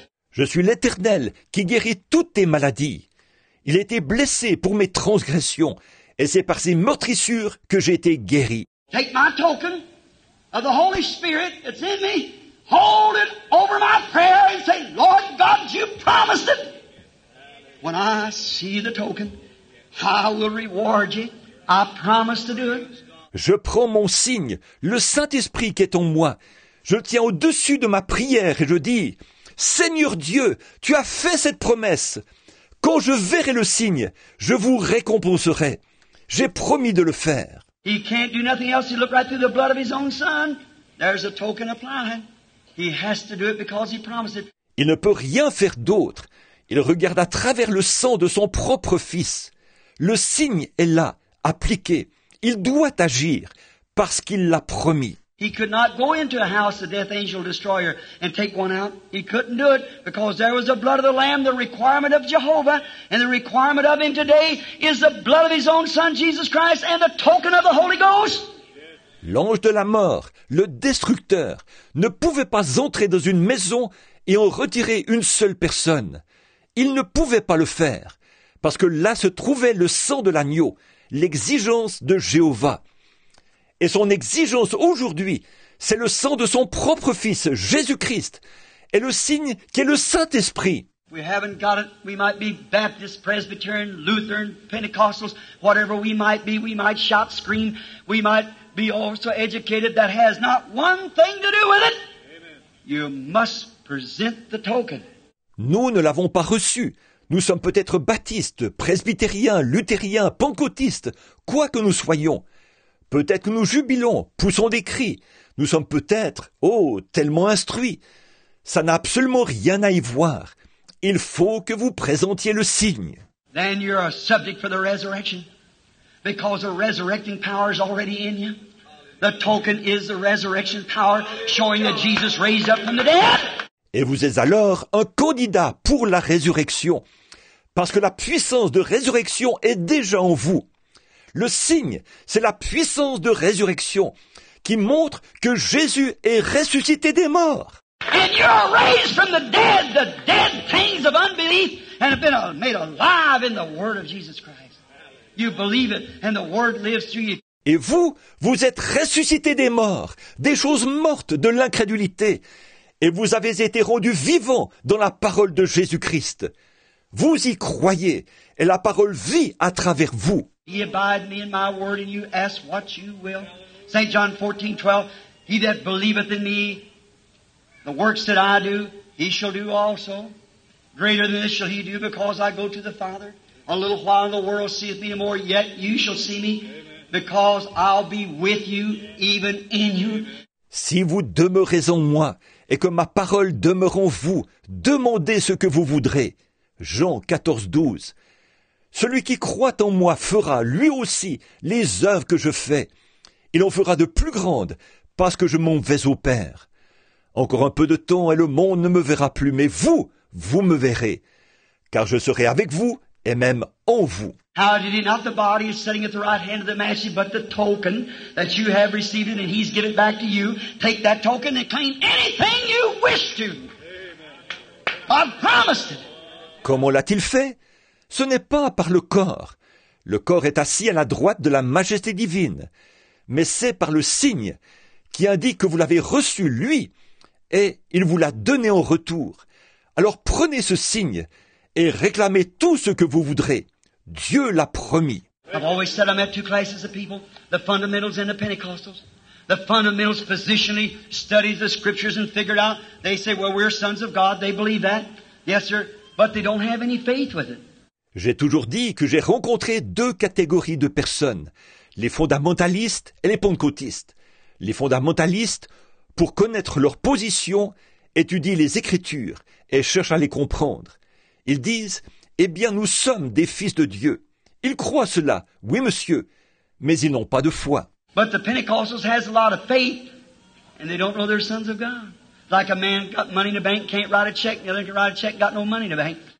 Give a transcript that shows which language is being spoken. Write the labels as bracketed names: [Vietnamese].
[French] Je suis l'Éternel qui guérit toutes tes maladies. Il a été blessé pour mes transgressions, et c'est par ses meurtrissures que j'ai été guéri. [English] Take my token of the Holy Spirit that's in me. Hold it over my prayer and say, Lord God, you promised it. When I see the token, I will reward you. I promise to do it. [French] Je prends mon signe, le Saint-Esprit qui est en moi. Je le tiens au-dessus de ma prière et je dis, Seigneur Dieu, tu as fait cette promesse. Quand je verrai le signe, je vous récompenserai. J'ai promis de le faire. [English] He can't do nothing else. He looked right through the blood of his own son. There's a token applied. He has to do it because he promised it. [French] Il ne peut rien faire d'autre. Il regarde à travers le sang de son propre fils. Le signe est là, appliqué. Il doit agir parce qu'il l'a promis. [English] He could not go into a house of death angel destroyer and take one out. He couldn't do it because there was the blood of the Lamb, the requirement of Jehovah, and the requirement of Him today is the blood of His own Son, Jesus Christ, and the token of the Holy Ghost. [French] L'ange de la mort, le destructeur, ne pouvait pas entrer dans une maison et en retirer une seule personne. Il ne pouvait pas le faire, parce que là se trouvait le sang de l'agneau, l'exigence de Jéhovah. Et son exigence aujourd'hui, c'est le sang de son propre Fils, Jésus-Christ, et le signe qu'est le Saint-Esprit. [English] We haven't got it. We might be Baptist, Presbyterian, Lutheran, Pentecostals, whatever we might shout, scream, we might be also educated. That has not one thing to do with it. You must present the token. [French] Nous ne l'avons pas reçu. Nous sommes peut-être baptistes, presbytériens, luthériens, pentecôtistes, quoi que nous soyons. Peut-être que nous jubilons, poussons des cris. Nous sommes peut-être, oh, tellement instruits. Ça n'a absolument rien à y voir. Il faut que vous présentiez le signe. [English] Then you're a subject for the resurrection, because the resurrecting power is already in you. The token is the resurrection power showing that Jesus raised up from the dead. [French] Et vous êtes alors un candidat pour la résurrection, parce que la puissance de résurrection est déjà en vous. Le signe, c'est la puissance de résurrection qui montre que Jésus est ressuscité des morts. [English] And you're raised from the dead things of unbelief, and have been made alive in the word of Jesus Christ. You believe it, and the word lives through you. [French] Et vous, vous êtes ressuscité des morts, des choses mortes de l'incrédulité, et vous avez été rendu vivant dans la parole de Jésus-Christ. Vous y croyez, et la parole vit à travers vous. [English] He abide me in my word, and you ask what you will. St. John 14, 12, he that believeth in me, the works that I do, he shall do also. Greater than this shall he do, because I go to the Father. A little while the world seeth me no more, yet you shall see me, because I'll be with you, even in you. [French] Si vous demeurez en moi, et que ma parole demeure en vous, demandez ce que vous voudrez. Jean 14, 12. Celui qui croit en moi fera, lui aussi, les œuvres que je fais. Il en fera de plus grandes, parce que je m'en vais au Père. Encore un peu de temps et le monde ne me verra plus, mais vous, vous me verrez. Car je serai avec vous et même en vous. [English] How did he not the body is sitting at the right hand of the master, but the token that you have received and he's given back to you. Take that token and claim anything you wish to. I've promised it. [French] Comment l'a-t-il fait? Ce n'est pas par le corps. Le corps est assis à la droite de la majesté divine. Mais c'est par le signe qui indique que vous l'avez reçu, lui, et il vous l'a donné en retour. Alors prenez ce signe et réclamez tout ce que vous voudrez. Dieu l'a promis. [English] I've always said I met two classes of people, the fundamentals and the Pentecostals. The fundamentals positionally studied the scriptures and figured out. They say, well, we're sons of God. They believe that. Yes, sir. But they don't have any faith with it. [French] J'ai toujours dit que j'ai rencontré deux catégories de personnes, les fondamentalistes et les pentecôtistes. Les fondamentalistes, pour connaître leur position, étudient les Écritures et cherchent à les comprendre. Ils disent, « Eh bien, nous sommes des fils de Dieu. » Ils croient cela, oui, monsieur, mais ils n'ont pas de foi. [English] But the Pentecostals has a lot of faith, and they don't know they're sons of God. Like a man got money in the bank, can't write a check, the other can write a check, got no money in the bank.